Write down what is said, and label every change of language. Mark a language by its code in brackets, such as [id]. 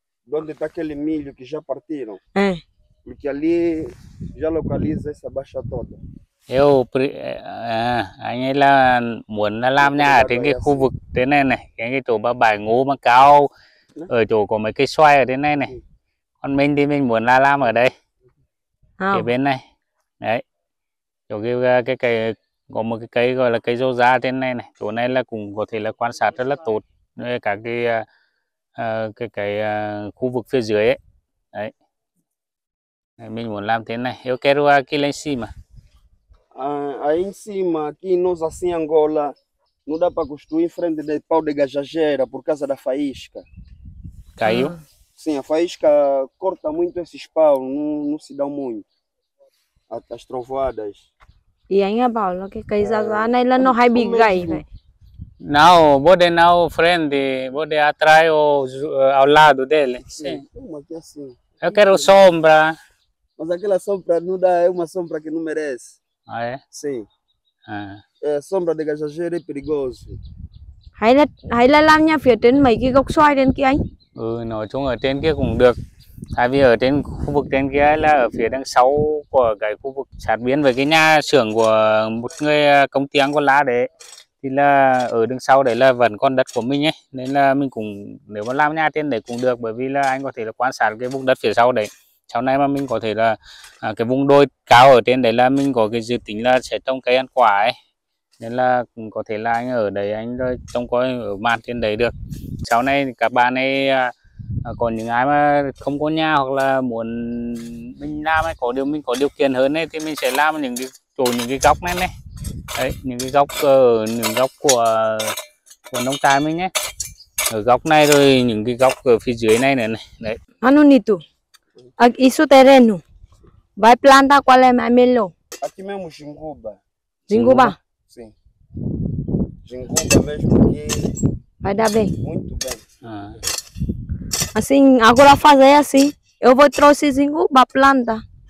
[pt] Onde está aquele milho que já partiram? É. Porque ali já localiza essa baixa toda. [vi] Eu, anh ấy là muốn làm nhà ở trên cái khu vực thế này này, cái chỗ ba bài ngô mà cao, ở chỗ có mấy cây xoay ở thế này này. Còn mình thì mình muốn làm ở đây, cái bên này, đấy, chỗ cái cây có một cái cây gọi là cây dâu da trên này này, chỗ này là cũng có thể là quan sát rất là tốt, cả cái khu vực phía dưới ấy, đấy, đấy mình muốn làm thế này, [pt] eu quero aqui lá em cima. Aí em cima, aqui nós assim Angola, não dá para construir em frente de pau de gajajeira por causa da faísca. Caiu? Sim, a faísca corta muito esses pau, não se dão muito. As trovoadas. E aí, Paulo, que coisa lá, né? Ela não vai brigar, velho. Não, pode não, frente, pode atrás ao lado dele. Sim. Aqui assim. Eu quero sombra. Mas aquela sombra não dá, é uma sombra que não merece. Ah, é? Sim. Ah. É, sombra de gajajeira é perigoso. [vi] Hay là làm nhà phía trên mấy cái gốc xoài trên kia anh? Ừ, nói chung ở trên kia cũng được. Tại vì ở trên khu vực trên kia là ở phía đằng sau của cái khu vực sát biên với cái nhà xưởng của một người công ty ăn con lá đấy. Thì là ở đằng sau đấy là vẫn còn đất của mình ấy. Nên là mình cũng, nếu mà làm nhà trên đấy cũng được. Bởi vì là anh có thể là quan sát cái vùng đất phía sau đấy. Sau này mà mình có thể là cái vùng đồi cao ở trên đấy là mình có cái dự tính là sẽ trồng cây ăn quả ấy. Nên là có thể là anh ở đấy, anh trông coi ở màn trên đấy được. Sau này các bạn ấy, còn những ai mà không có nhà hoặc là muốn mình làm ấy, mình có điều kiện hơn ấy, thì mình sẽ làm những cái chỗ, những cái góc này này. Đấy, những cái góc ở những góc của nông trại mình nhé. Ở góc này rồi, những cái góc ở phía dưới này nữa này. Đấy. [pt] Anonito, isso terreno, vai plantar qual é mais melhor? Aqui mesmo, jinguba. Jinguba? Sim. Jinguba mesmo aqui. Vai dar bem. Muito bem. Ah. Assim, agora fazer assim. Eu vou trouxer jinguba planta.